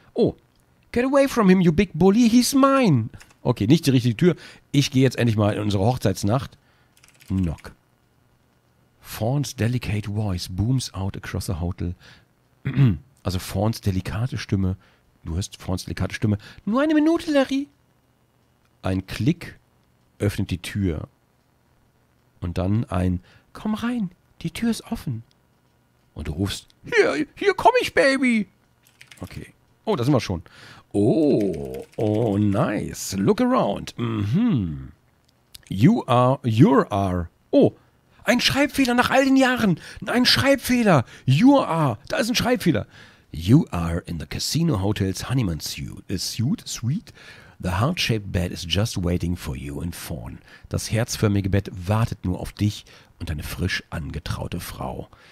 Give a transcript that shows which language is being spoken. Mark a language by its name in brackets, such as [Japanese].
[English] Oh, get away from him, you big bully, he's mine. [German] Okay, nicht die richtige Tür. Ich gehe jetzt endlich mal in unsere Hochzeitsnacht. [English] Knock. Fawn's delicate voice booms out across the hotel. [German] Also Fawn's delikate Stimme. Du hörst Fawn's delikate Stimme. Nur eine Minute, Larry. Ein Klick öffnet die Tür. Und dann ein Komm rein, die Tür ist offen. Und du rufst Hier komm ich, Baby. Okay. Oh, da sind wir schon. [English] Oh, nice. Look around. Mhm. You are. [German] Oh. Ein Schreibfehler nach all den Jahren. Ein Schreibfehler. You are. Da ist ein Schreibfehler. [English] You are in the Casino Hotel's honeymoon suite. A suite? Sweet? The heart-shaped bed is just waiting for you in Fawn. [German] Das herzförmige Bett wartet nur auf dich und deine frisch angetraute Frau.